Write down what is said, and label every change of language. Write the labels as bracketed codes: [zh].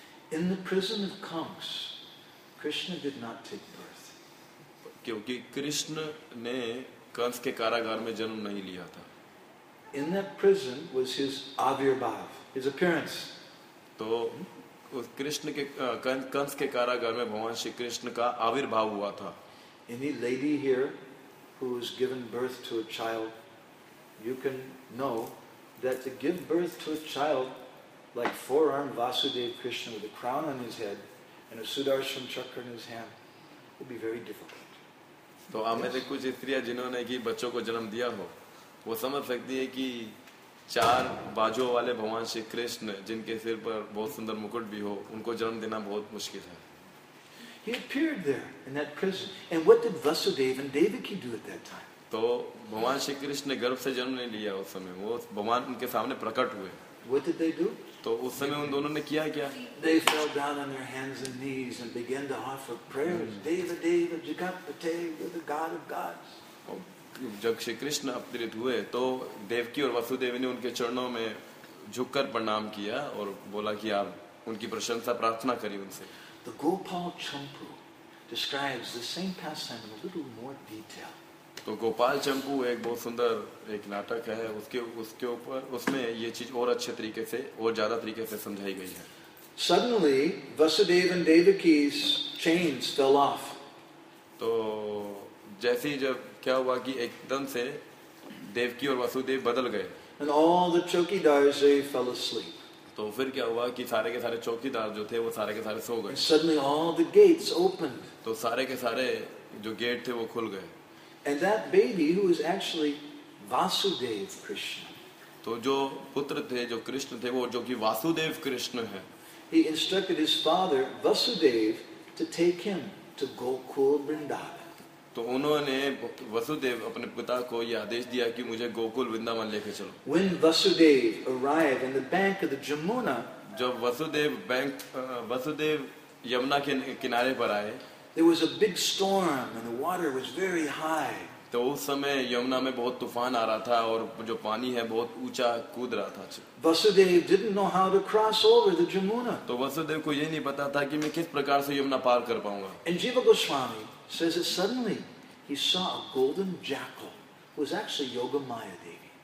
[en] In the prison of Kamsa, Krishna did not take birth. [hi] क्योंकि कृष्ण ने कंस के कारागार में जन्म नहीं लिया था [en] In that prison was his avirbhav, his appearance. [hi] तो कृष्ण के कंस के कारागार में भगवान श्री कृष्ण का आविर्भाव हुआ था [en] any lady here who is given birth to a child you can know that to give birth to a child like four arm Vasudev Krishna with a crown on his head and a Sudarshan Chakra in his hand would be very difficult [hi] तो आप में से कुछ स्त्रियां जिन्होंने कि बच्चों को जन्म दिया हो वो समझ सकती है कि चार बाजों वाले भगवान श्री कृष्ण जिनके सिर पर बहुत सुंदर मुकुट भी हो उनको जन्म देना बहुत मुश्किल है [en] He appeared there in that prison. And what did Vasudev and Devaki do at that time? [hi] तो भगवान श्री कृष्ण ने गर्भ से जन्म नहीं लिया उस समय वो भगवान उनके सामने प्रकट हुए [en] What did they do? [hi] तो उस समय उन दोनों ने किया क्या? [en] They fell down on their hands and knees and began to offer prayers. David, David, Jagapate, you're the God of gods. [hi] जब श्री कृष्ण अवतरित हुए तो देवकी और वसुदेव ने उनके चरणों में झुककर प्रणाम किया और बोला कि आप उनकी प्रशंसा प्रार्थना करिए उनसे. [en] The Gopal Champu describes the same pastime in a little more detail. [hi] तो गोपाल चंपू एक बहुत सुंदर एक नाटक है उसके उसके ऊपर उसमें ये चीज और अच्छे तरीके से और ज्यादा तरीके से समझाई गई है. [en] Suddenly Vasudev and Devaki's chains fell off. [hi] तो जैसे ही जब क्या हुआ कि एकदम से देवकी और वसुदेव बदल गए. [en] And all the chokidars they fell asleep. [hi] तो फिर क्या हुआ कि सारे के सारे चौकीदार जो थे वो सारे के सारे सो गए. [en] And suddenly all the gates opened. [hi] तो सारे के सारे जो गेट थे वो खुल गए. [en] And that baby who was actually Vasudev Krishna. [hi] तो जो पुत्र थे जो कृष्ण थे वो जो कि वासुदेव कृष्ण है. [en] He instructed his father Vasudev to take him to Gokul Vrindavan. [hi] तो उन्होंने वसुदेव अपने पिता को यह आदेश दिया कि मुझे गोकुल वृंदावन लेकर चलो. [en] When Vasudev arrived in the bank of the Jamuna, [hi] जब वसुदेव बैंक वसुदेव यमुना के किनारे पर आए. [en] There was a big storm and the water was very high. [hi] तो उस समय यमुना में बहुत तूफान आ रहा था और जो पानी है बहुत ऊंचा कूद रहा था. [en] Vasudev didn't know how to cross over the Jamuna. [hi] तो वसुदेव को ये नहीं पता था कि मैं किस प्रकार से यमुना पार कर पाऊंगा. [en] And Jiva Goswami says that suddenly he saw a golden jackal who was actually Yogamaya Devi.